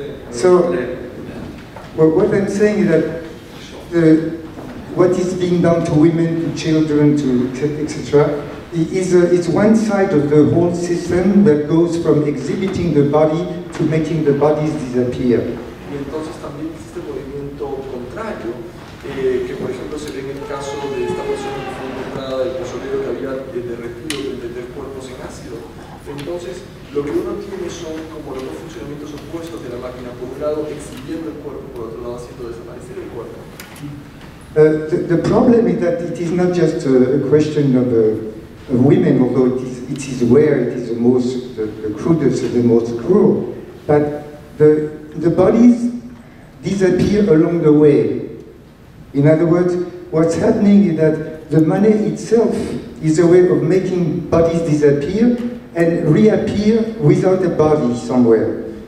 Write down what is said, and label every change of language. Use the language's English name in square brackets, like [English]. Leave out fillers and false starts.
[English] So, well, what I'm saying is that what is being done to women, to children, to etc. is one side of the whole system that goes from exhibiting the body to making the bodies disappear. [Spanish] Y entonces también existe movimiento contrario, que por ejemplo se ve en el caso de esta persona que fue encontrada, el prisionero que había derretido de cuerpos en ácido. Entonces lo que uno tiene son como los dos funcionamientos opuestos de la máquina, por un lado exhibiendo el cuerpo, por otro lado haciendo desaparecer el cuerpo. [English] The problem is that it is not just a question of women, although it is where it is the most the crudest and the most cruel. But the bodies disappear along the way. In other words, what's happening is that the money itself is a way of making bodies disappear and reappear without a body somewhere.